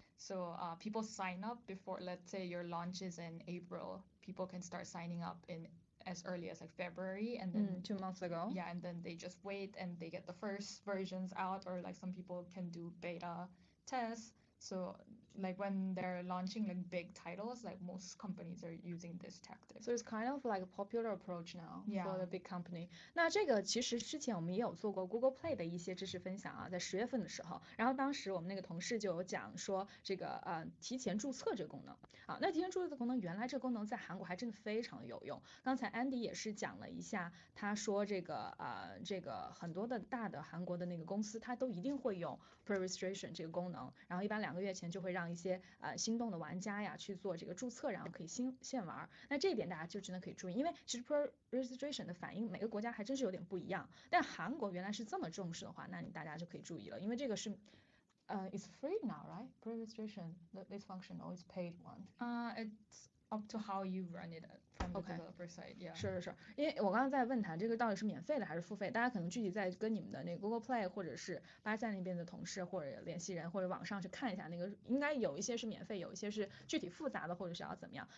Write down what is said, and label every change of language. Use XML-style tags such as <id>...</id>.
<en>So people sign up before, let's say your launch is in April, people can start signing up in as early as like February, and Mm, 2 months ago. yeah, and then they just wait and they get the first versions out, or like some people can do beta tests. So like when they're launching like big titles, like most companies are using this tactic. So it's kind of like a popular approach now for Yeah. the big company。</en> <zh>那这个其实之前我们也有做过 Google Play 的一些知识分享啊，在10月份的时候，然后当时我们那个同事就有讲说这个提前注册这个功能。啊，那提前注册的功能，原来这功能在韩国还真的非常有用。刚才 Andy 也是讲了一下，他说这个很多的大的韩国的那个公司，他都一定会用 pre-registration 这个功能，然后一般2个月前就会让一些心动的玩家呀去做这个注册，然后可以现玩。那这一点大家就真的可以注意，因为其实 pre-registration 的反应每个国家还真是有点不一样。但韩国原来是这么重视的话，那你大家就可以注意了，因为这个是</zh> <en>it's free now, right? administration, this function, or it's paid one? It's up to how you run it from the developer side, yeah.</en> <zh>是是是，因为我刚刚在问他这个到底是免费的还是付费，大家可能具体在跟你们的那个 Google Play 或者是巴塞那边的同事或者联系人或者网上去看一下，那个应该有一些是免费，有一些是具体复杂的或者是要怎么样。</zh>